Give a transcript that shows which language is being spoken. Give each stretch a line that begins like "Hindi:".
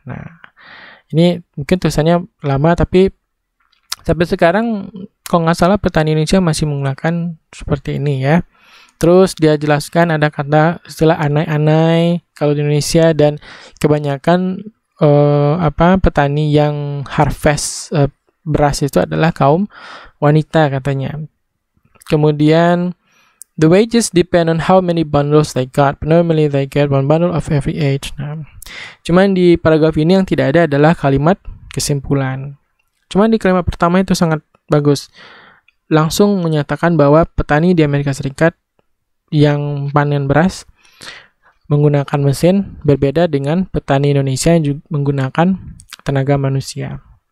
Indonesian: Nah, ini mungkin tulisannya lama, tapi sampai sekarang, kalau nggak salah, petani Indonesia masih menggunakan seperti ini ya. Terus dia jelaskan ada kata istilah anai-anai kalau di Indonesia, dan kebanyakan petani yang harvest beras itu adalah kaum wanita katanya.
English: Kemudian, the wages depend on how many bundles they got. Normally they get one bundle of every eight.
Indonesian: Nah, cuman di paragraf ini yang tidak ada adalah kalimat kesimpulan. Cuman di kalimat pertama itu sangat bagus. Langsung menyatakan bahwa petani di Amerika Serikat yang panen beras menggunakan mesin berbeda dengan petani Indonesia yang juga menggunakan tenaga manusia.